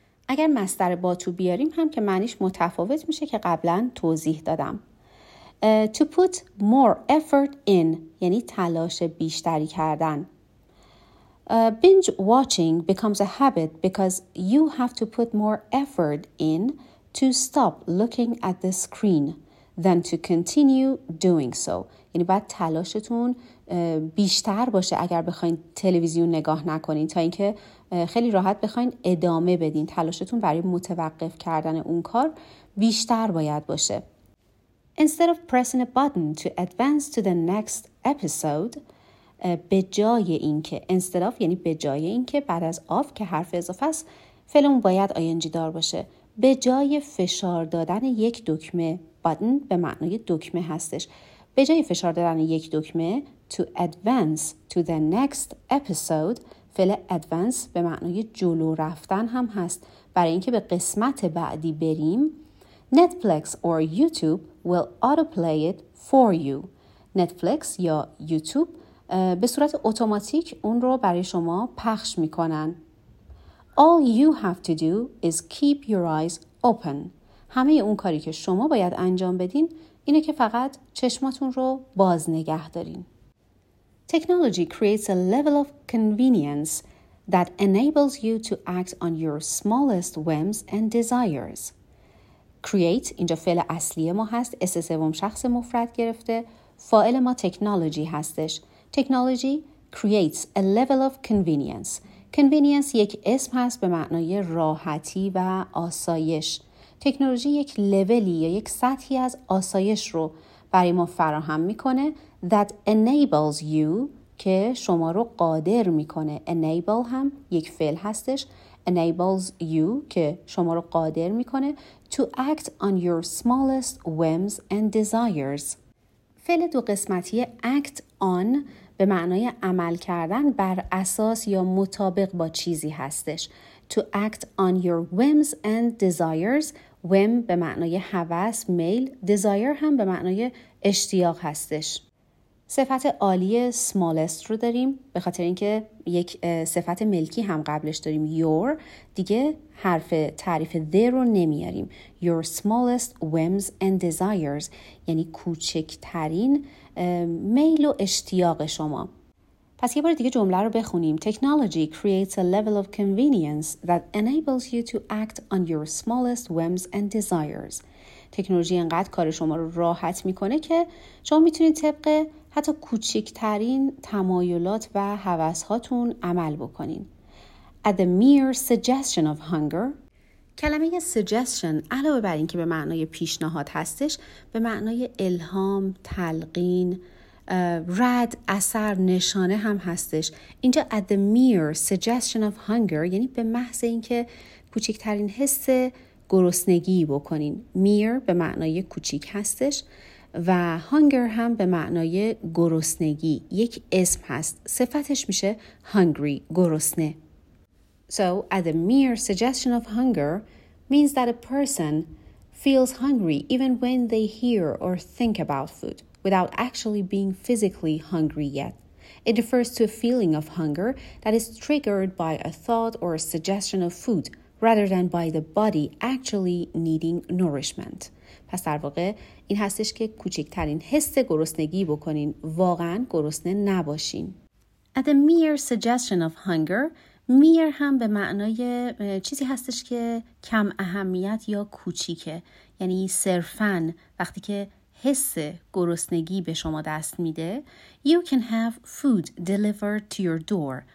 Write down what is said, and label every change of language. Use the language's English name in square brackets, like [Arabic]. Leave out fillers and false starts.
[Persian] اگر مصدر با تو بیاریم هم که معنیش متفاوت میشه که قبلا توضیح دادم. [English] To put more effort in [Persian] یعنی تلاش بیشتری کردن. [English] Binge watching becomes a habit because you have to put more effort in to stop looking at the screen than to continue doing so. [Persian] یعنی باید تلاشتون بیشتر باشه اگر بخواید تلویزیون نگاه نکنین تا اینکه خیلی راحت بخواید ادامه بدین. تلاشتون برای متوقف کردن اون کار بیشتر باید باشه. [English] Instead of pressing a button to advance to the next episode, [Persian] به جای اینکه instead of یعنی به جای اینکه بعد از of که حرف اضافه است فعلمون باید ing دار باشه. به جای فشار دادن یک دکمه button به معنای دکمه هستش. به جای فشار دادن یک دکمه [English] to advance to the next episode [Persian] فعل advance به معنای جلو رفتن هم هست. برای اینکه به قسمت بعدی بریم [English] Netflix or YouTube will autoplay it for you. [Persian] Netflix یا YouTube به صورت اتوماتیک اون رو برای شما پخش میکنن. [English] All you have to do is keep your eyes open. [Persian] همه اون کاری که شما باید انجام بدین اینه که فقط چشماتون رو باز نگه دارین. [English] Technology creates a level of convenience that enables you to act on your smallest whims and desires. [Persian] Create اینجا فعل اصلی ما هست. اس سوم شخص مفرد گرفته. فاعل ما تکنولوژی هستش. [English] Technology creates a level of convenience. [Persian] Convenience یک اسم هست به معنای راحتی و آسایش. تکنولوژی یک لولی یا یک سطحی از آسایش رو برای ما فراهم میکنه [English] that enables you [Persian] که شما رو قادر میکنه. Enable هم یک فعل هستش. [English] Enables you [Persian] که شما رو قادر میکنه [English] to act on your smallest whims and desires. [Persian] فعل دو قسمتی act on به معنای عمل کردن بر اساس یا مطابق با چیزی هستش. [English] To act on your whims and desires. [Persian] Whim به معنای هوس، میل. Desire هم به معنای اشتیاق هستش. صفت عالی smallest رو داریم به خاطر اینکه یک صفت ملکی هم قبلش داریم. Your دیگه حرف تعریف the رو نمیاریم. [English] Your smallest whims and desires [Persian] یعنی کوچکترین میل و اشتیاق شما. پس یه بار دیگه جمله رو بخونیم. [English] Technology creates a level of convenience that enables you to act on your smallest whims and desires. [Persian] تکنولوژی انقدر کار شما رو راحت میکنه که شما میتونید طبق حتی کوچکترین تمایلات و هوسهاتون عمل بکنین. [English] At the mere suggestion of hunger. [Persian] کلمه suggestion علاوه بر این که به معنای پیشنهاد هستش به معنای الهام، تلقین، رد، اثر، نشانه هم هستش. اینجا [English] at the mere suggestion of hunger [Persian] یعنی به محض اینکه کوچکترین حس گرسنگی بکنین. mere به معنای کوچیک هستش و hunger هم به معنای گرسنگی یک اسم هست. صفتش میشه hungry، گرسنه. [English] So at the mere suggestion of hunger means that a person feels hungry even when they hear or think about food without actually being physically hungry yet. It refers to a feeling of hunger that is triggered by a thought or a suggestion of food rather than by the body actually needing nourishment. [Persian] پس در واقع این هستش که کوچکترین حس گرسنگی بکنین، واقعا گرسنه نباشین. [English] At the mere suggestion of hunger, [Persian] mere هم به معنای چیزی هستش که کم اهمیت یا کوچیکه، یعنی صرفاً وقتی که حس گرسنگی به شما دست میده، [English] you can have food delivered to your door.